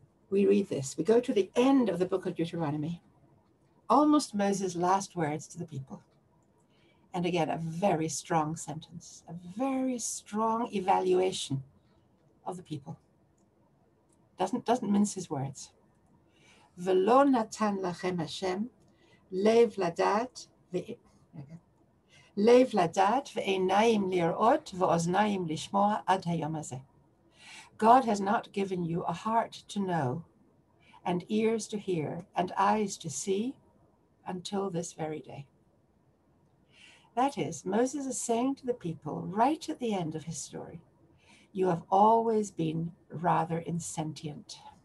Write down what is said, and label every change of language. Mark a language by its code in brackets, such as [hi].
[en] We read this. We go to the end of the book of Deuteronomy, almost Moses' last words to the people. And again, a very strong sentence, a very strong evaluation of the people. Doesn't mince his words. [he] ולא נתן לכם השם לב לדעת לב לדעת ועיניים לראות ואוזניים לשמוע עד היום הזה. [en] God has not given you a heart to know and ears to hear and eyes to see until this very day. That is, Moses is saying to the people right at the end of his story, you have always been rather insentient.